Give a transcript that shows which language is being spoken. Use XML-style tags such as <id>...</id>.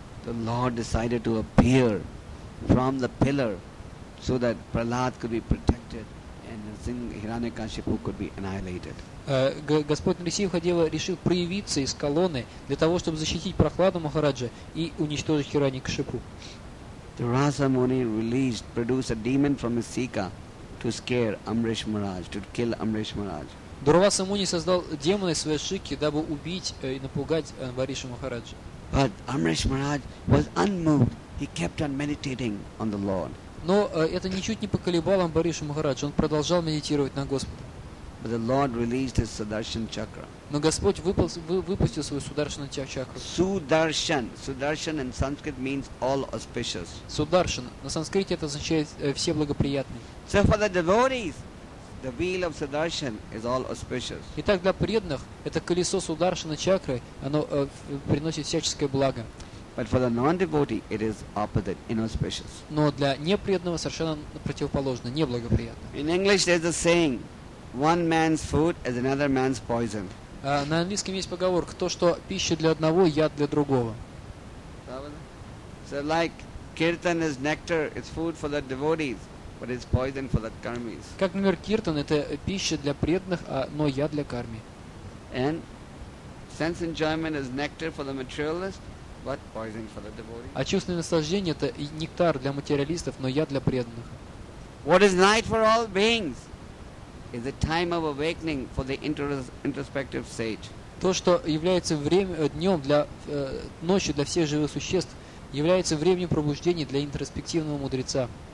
<en>the Lord decided to appear from the pillar so that Prahlad could be protected and Hiranyakashipu could be annihilated.</en> <ru>Господь Нарисимхадева решил проявиться из колонны для того, чтобы защитить Прахладу Махараджа и уничтожить Хираньякашипу.</ru> <en>The Rasa Muni produced a demon from his Sika to scare Amrish Maharaj, to kill Amrish Maharaj.</en> <ru>Дурваса Муни создал демона из своей шики, дабы убить и напугать Амриша Махараджа.</ru> <en>But Amrish Maharaj was unmoved. He kept on meditating on the Lord.</en> <ru>Но это ничуть не поколебало Амриша Махараджа. Он продолжал медитировать на Господа.</ru> <en>But the Lord released his Sudarshan chakra.</en> <ru>Но Господь выпустил свою Сударшану чакру.</ru> <en>Sudarshan. Sudarshan in Sanskrit means all auspicious. Sudarshan.</en> <ru>На санскрите это означает все благоприятные.</ru> <en>So for the devotees, the wheel of Sudarshan is all auspicious.</en> <ru>Итак, для преданных это колесо Сударшана чакры, оно приносит всяческое благо.</ru> <en>But for the non-devotee, it is opposite, inauspicious.</en> <ru>Но для непреданного совершенно противоположно, неблагоприятно.</ru> <en>In English, there's a saying: one man's food is another man's poison.</en> <ru>На английском есть поговорка: то, что пища для одного, яд для другого.</ru> <en>So like kirtan is nectar, it's food for the devotees, but it's poison for the karmis.</en> <ru>Как, например, киртан это пища для преданных, но яд для карми.</ru> <en>And sense enjoyment is nectar for the materialist, but poison for the devotee.</en> <ru>А чувственное наслаждение это нектар для материалистов, но яд для преданных.</ru> <en>What is night for all beings? Is the time of awakening for the introspective sage.</en> <ru>То, что является днем для ночью для всех живых существ, является временем пробуждения для интроспективного мудреца.</ru>